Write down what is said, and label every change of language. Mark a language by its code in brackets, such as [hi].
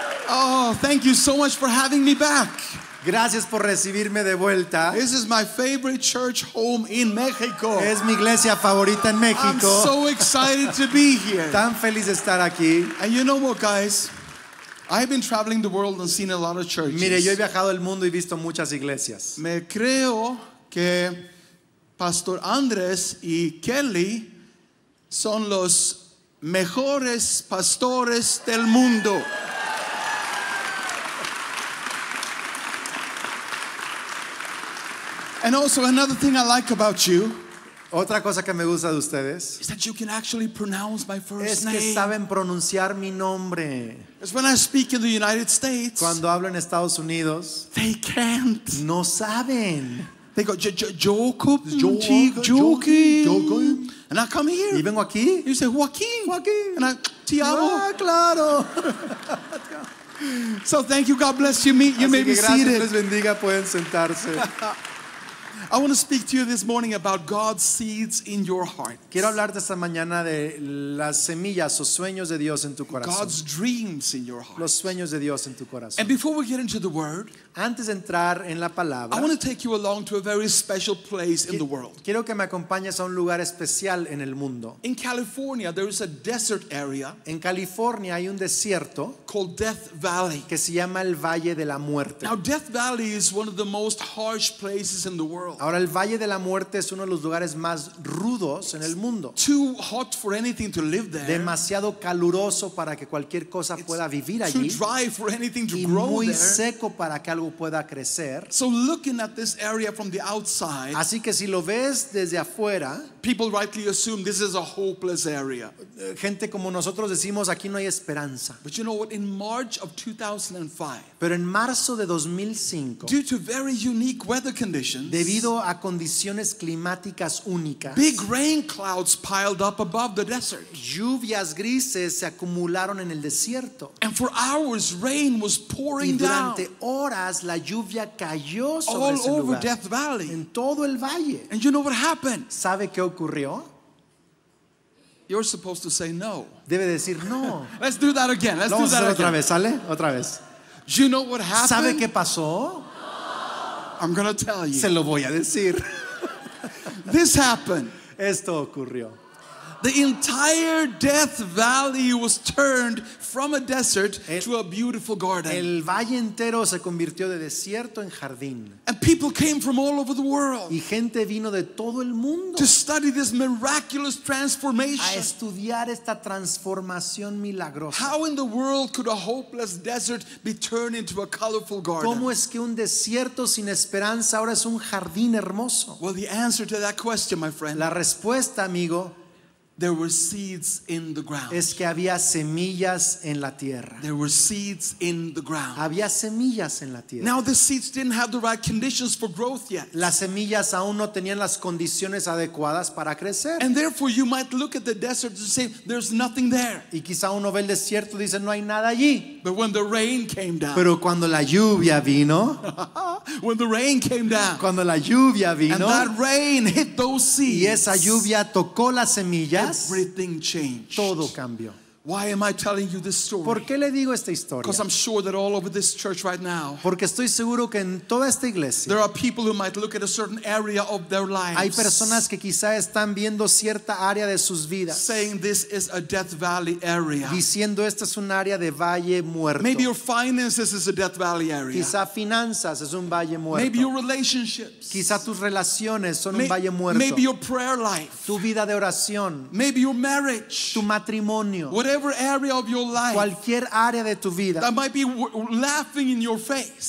[en] Oh, thank you so much for having me back. [es] Gracias por recibirme de vuelta. [en] This is my favorite church home in Mexico. [es] Es mi iglesia favorita en México. [en] I'm so excited to be here. [es] Tan feliz de estar aquí. [en] And you know what, guys? I've been traveling the world and seen a lot of churches. [es] Mire, yo he viajado el mundo y visto muchas iglesias. Me creo que Pastor Andrés y Kelly son los mejores pastores del mundo. [en] And also another thing I like about you. [es] Otra cosa que me gusta de ustedes. [en] Is that you can actually pronounce my first name. [es] Es que saben pronunciar mi nombre. [en] It's when I speak in the United States. [es] Cuando hablo en Estados Unidos. [en] They can't. [es] No saben. [en] They go, Joakim. And I come here. [es] Y vengo aquí. [en] You say, Joakim. And I, Tiago. [es] Ah, claro. [en] So thank you. God bless you. You may be seated. [es] Así que gracias. Les bendiga. Pueden sentarse. [en] I want to speak to you this morning about God's seeds in your heart. [es] Quiero hablarte esta mañana de las semillas o sueños de Dios en tu corazón. [en] God's dreams in your heart. [es] Los sueños de Dios en tu corazón. [en] And before we get into the word, [es] antes de entrar en la palabra, [en] I want to take you along to a very special place in the world. [es] Quiero que me acompañes a un lugar especial en el mundo. [en] In California, there is a desert area. [es] En California hay un desierto [en] called Death Valley. [es] Que se llama el Valle de la Muerte. [en] Now, Death Valley is one of the most harsh places in the world. [es] Ahora el Valle de la Muerte es uno de los lugares más rudos en el mundo. [en] Too hot for anything to live there. [es] Demasiado caluroso para que cualquier cosa pueda vivir allí. [en] Too dry for anything to grow there. [es] Y muy seco para que algo pueda crecer. [en] So looking at this area from the outside. [es] Así que si lo ves desde afuera, [en] people rightly assume this is a hopeless area. [es] Gente como nosotros decimos aquí no hay esperanza. [en] But you know what? In March of 2005. [es] Pero en marzo de 2005. [en] Due to very unique weather conditions. [es] Debido a condiciones climáticas únicas. [en] Big rain clouds piled up above the desert. [es] Lluvias grises se acumularon en el desierto. [en] And for hours rain was pouring down. [es] Y durante horas la lluvia cayó sobre ese lugar. [en] All over Death Valley. [es] En todo el valle. [en] And you know what happened? [es] ¿Sabe qué ocurrió? [en] You're supposed to say no. [es] Debe decir no. [en] Let's do that again. Let's [es] Vamos [en] do that [es] otra [en] again. [es] Vez, ¿sale? Otra vez. [en] You know what happened? [es] ¿Sabe qué pasó? [en] I'm going to tell you. [es] Se lo voy a decir. [en] This happened. [es] Esto ocurrió. [en] The entire Death Valley was turned from a desert to a beautiful garden. [es] El valle entero se convirtió de desierto en jardín. [en] And people came from all over the world. [es] Y gente vino de todo el mundo. [en] To study this miraculous transformation. [es] A estudiar esta transformación milagrosa. [en] How in the world could a hopeless desert be turned into a colorful garden? [es] ¿Cómo es que un desierto sin esperanza ahora es un jardín hermoso? [en] Well, the answer to that question, my friend. [es] La respuesta, amigo. [en] There were seeds in the ground. [es] Es que había semillas en la tierra. [en] There were seeds in the ground. [es] Había semillas en la tierra. [en] Now the seeds didn't have the right conditions for growth yet. [es] Las semillas aún no tenían las condiciones adecuadas para crecer. [en] And therefore you might look at the desert and say there's nothing there. [es] Y quizá uno ve el desierto y dice no hay nada allí. [en] But when the rain came down. [es] Pero cuando la lluvia vino. [en] When the rain came down. [es] Cuando la lluvia vino. [en] And that rain hit those seeds. [es] Y esa lluvia tocó las semillas. [en] Everything changed. [es] Todo cambió. [en] Why am I telling you this story? [es] ¿Por qué le digo esta historia? [en] Because I'm sure that all over this church right now. [es] Porque estoy seguro que en toda esta iglesia. [en] There are people who might look at a certain area of their lives. [es] Hay personas que quizá están viendo cierta área de sus vidas. [en] Saying this is a Death Valley area. [es] Diciendo esta es un área de valle muerto. [en] Maybe your finances is a Death Valley area. [es] Quizá finanzas es un valle muerto. [en] Maybe your relationships. [es] Quizá tus relaciones son un valle muerto. [en] Maybe your prayer life. [es] Tu vida de oración. [en] Maybe your marriage. [es] Tu matrimonio. [en] Whatever area of your life, [es] cualquier área de tu vida, [en] that might be laughing in your face,